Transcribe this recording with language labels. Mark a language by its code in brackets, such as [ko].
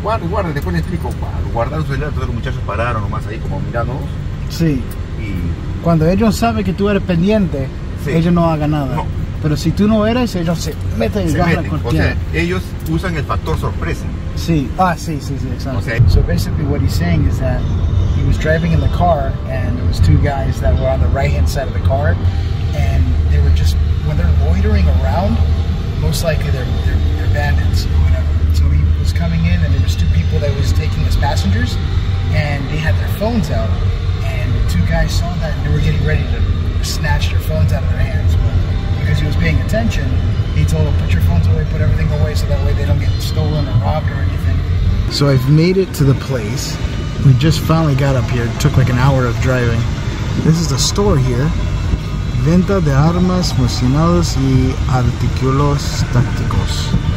[es] Guarden, después les explico. Guardaron sus celulares, todos los muchachos pararon nomás ahí como mirándonos. Sí. Y cuando ellos saben que tú eres pendiente, sí, ellos no hagan nada. No. Pero si tú no eres, ellos se meten y bajan la cortina. O sea, ellos usan el factor sorpresa. Sí. Ah, sí, sí, sí, exacto. Okay. [en] So basically what he's saying is that he was driving in the car and there was two guys that were on the right-hand side of the car and they were just, when they're loitering around, most likely they're bandits or whatever. So he was coming in and there was two people that was taking as passengers and they had their phones out and the two guys saw that and they were getting ready to snatch their phones out of their hands. Because he was paying attention, he told him, put your phones away, put everything away, so that way they don't get stolen or robbed or anything. So I've made it to the place. We just finally got up here. It took like an hour of driving. This is the store here. [es] Venta de armas, municiones y artículos tácticos.